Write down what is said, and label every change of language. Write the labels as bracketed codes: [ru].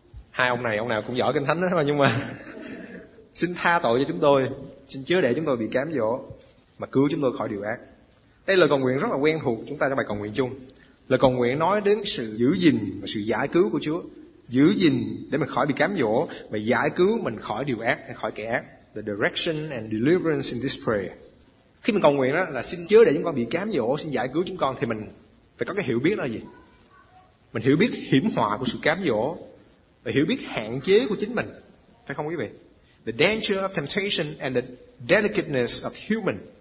[vi] Hai ông này, ông nào cũng giỏi kinh thánh đó, nhưng mà xin tha tội cho chúng tôi, xin chớ để chúng tôi bị cám dỗ, mà cứu chúng tôi khỏi điều ác. Đây là lời cầu nguyện rất là quen thuộc chúng ta trong bài cầu nguyện chung. Lời cầu nguyện nói đến sự giữ gìn và sự giải cứu của Chúa. Giữ gìn để mình khỏi bị cám dỗ, và giải cứu mình khỏi điều ác, khỏi kẻ ác. [en] The direction and deliverance in this prayer. [vi] Khi mình cầu nguyện đó là xin chớ để chúng con bị cám dỗ, xin giải cứu chúng con, thì mình phải có cái hiểu biết là gì? Mình hiểu biết hiểm họa của sự cám dỗ, và hiểu biết hạn chế của chính mình, phải không quý vị? [en] The danger of temptation and the delicateness of human.